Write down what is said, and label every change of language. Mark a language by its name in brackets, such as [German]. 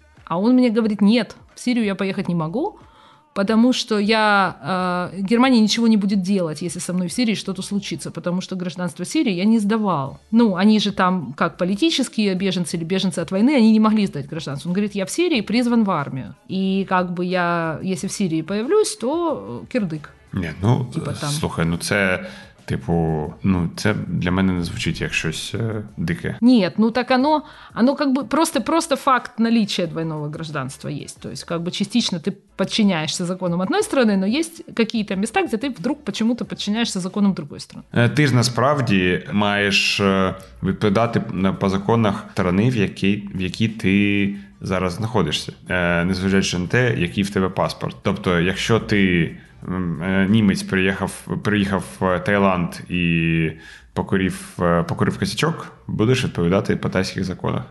[Russian] А он мне говорит, нет, в Сирию я поехать не могу, потому что Германия ничего не будет делать, если со мной в Сирии что-то случится, потому что гражданство Сирии я не сдавал. Ну, они же там как политические беженцы или беженцы от войны, они не могли сдать гражданство. Он говорит, я в Сирии призван в армию. И как бы я, если в Сирии появлюсь, то кирдык. [Ukrainian] Не, ну, типа там. Слухай, ну це... Типу, ну, це для мене не звучить як щось дике. [Russian] Ні, ну так оно как бы просто факт наличия двойного гражданства есть. То есть, как бы частично ты подчиняешься законам одной страны, но есть какие-то места, где ты вдруг почему-то подчиняешься законам другой страны. [Ukrainian] Ти ж насправді маєш відповідати по законах страны, в якій ти зараз знаходишся. Незважаючи на те, який в тебе паспорт. Тобто, якщо ти... Німець приїхав в Таїланд і покурив косячок, будеш відповідати по тайських законах.